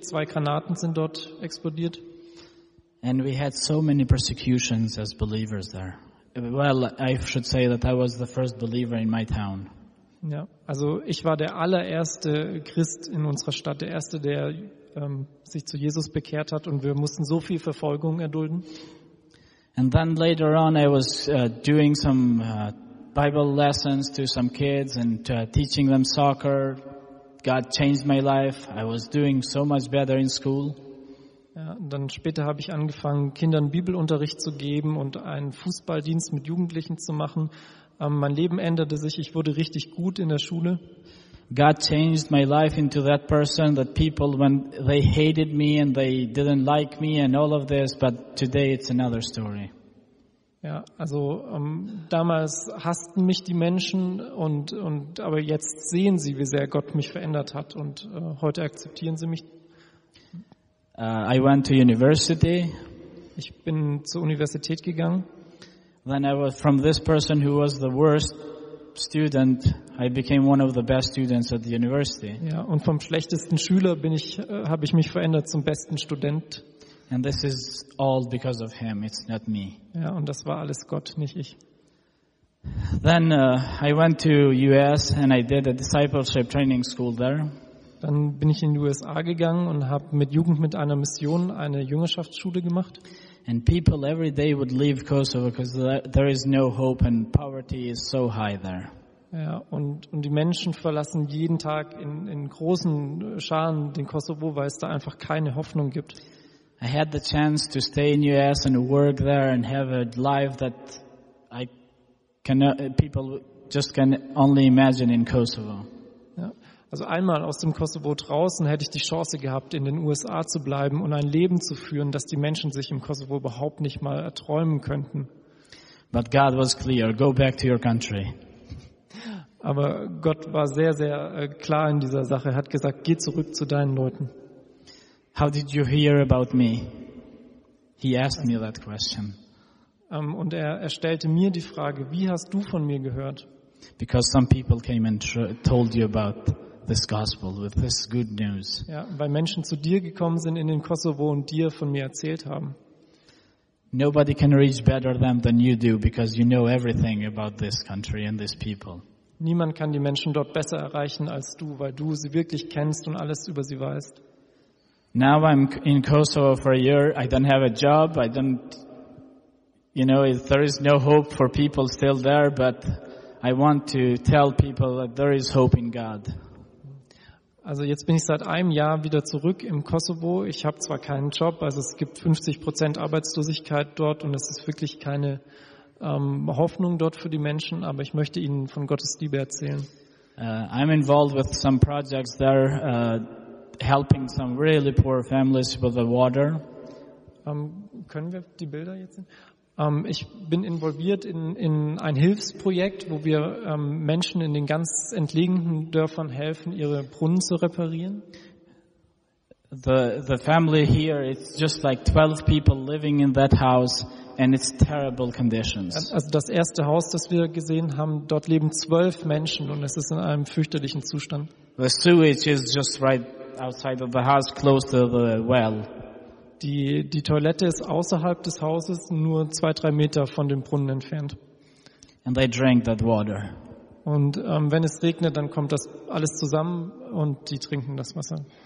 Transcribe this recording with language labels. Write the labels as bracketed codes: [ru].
[de] 2 Granaten sind dort explodiert. [en] And we had so many persecutions as believers there. Well, I should say that I was the first believer in my town. [de] Ja, also ich war der allererste Christ in unserer Stadt, der erste, der sich zu Jesus bekehrt hat, und wir mussten so viel Verfolgung erdulden. [en] And then later on I was doing some Bible lessons to some kids and teaching them soccer. God changed my life. I was doing so much better in school. [de] Ja, und dann später habe ich angefangen, Kindern Bibelunterricht zu geben und einen Fußballdienst mit Jugendlichen zu machen. Mein Leben änderte sich. Ich wurde richtig gut in der Schule. [en] God changed my life into that person that people, when they hated me and they didn't like me and all of this, but today it's another story. [de] Ja, also damals hassten mich die Menschen, und aber jetzt sehen sie, wie sehr Gott mich verändert hat, und heute akzeptieren sie mich. [en] I went to university. [de] Ich bin zur Universität gegangen. [en] Then I was from this person who was the worst student, I became one of the best students at the university. [de] Ja, und vom schlechtesten Schüler habe ich mich verändert zum besten Student. [en] And this is all because of him, it's not me. [de] Ja, und das war alles Gott, nicht ich. [en] Then I went to US and I did a discipleship training school there. [de] Dann bin ich in die USA gegangen und habe mit Jugend mit einer Mission eine Jüngerschaftsschule gemacht. [en] And people every day would leave Kosovo because there is no hope and poverty is so high there. [de] Ja, und die Menschen verlassen jeden Tag in großen Scharen den Kosovo, weil es da einfach keine Hoffnung gibt. [en] I had the chance to stay in US and work there and have a life that people just can only imagine in Kosovo. [de] Ja, also einmal aus dem Kosovo draußen hätte ich die Chance gehabt, in den USA zu bleiben und ein Leben zu führen, das die Menschen sich im Kosovo überhaupt nicht mal erträumen könnten. [en] But God was clear, go back to your country. [de] Aber Gott war sehr, sehr klar in dieser Sache. Er hat gesagt, geh zurück zu deinen Leuten. [en] How did you hear about me? He asked me that question. [de] Und er stellte mir die Frage, wie hast du von mir gehört? [en] Because some people came and told you about this gospel with this good news. [de] Ja, weil Menschen zu dir gekommen sind in den Kosovo und dir von mir erzählt haben. [en] Nobody can reach better than you do because you know everything about this country and these people. [de] Niemand kann die Menschen dort besser erreichen als du, weil du sie wirklich kennst und alles über sie weißt. [en] Now I'm in Kosovo for a year. I don't have a job. I don't, you know, there is no hope for people still there, but I want to tell people that there is hope in God. [de] Also jetzt bin ich seit einem Jahr wieder zurück im Kosovo. Ich habe zwar keinen Job, also es gibt 50% Arbeitslosigkeit dort und es ist wirklich keine Hoffnung dort für die Menschen, aber ich möchte ihnen von Gottes Liebe erzählen. [en] I'm involved with some projects there, helping some really poor families with the water. [de] Können wir die Bilder jetzt sehen? Ich bin involviert in ein Hilfsprojekt, wo wir Menschen in den ganz entlegenen Dörfern helfen, ihre Brunnen zu reparieren. The family here, it's just like 12 people living in that house and it's terrible conditions. Also das erste Haus, das wir gesehen haben, dort leben 12 Menschen und es ist in einem fürchterlichen Zustand. The sewage is just right outside of the house, close to the well. Die Toilette ist außerhalb des Hauses, nur 2-3 Meter von dem Brunnen entfernt. And they drank that water. Und wenn es regnet, dann kommt das alles zusammen und die trinken das Wasser.